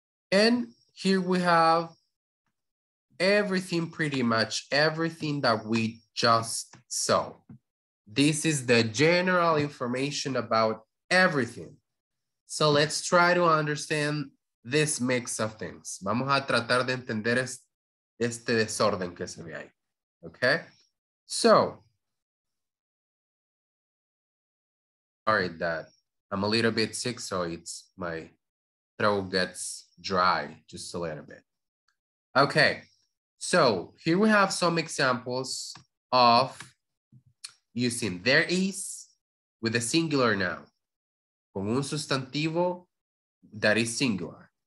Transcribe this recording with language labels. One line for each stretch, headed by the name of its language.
English: And here we have everything, pretty much everything that we just saw. This is the general information about everything. So let's try to understand this mix of things.
Spanish: Vamos a tratar de entender este desorden que se ve ahí.
English: Okay? So, sorry that I'm a little bit sick, so it's my throat gets dry just a little bit. Okay, so here we have some examples of using there is with a singular noun,
Spanish: con un sustantivo
English: that is singular.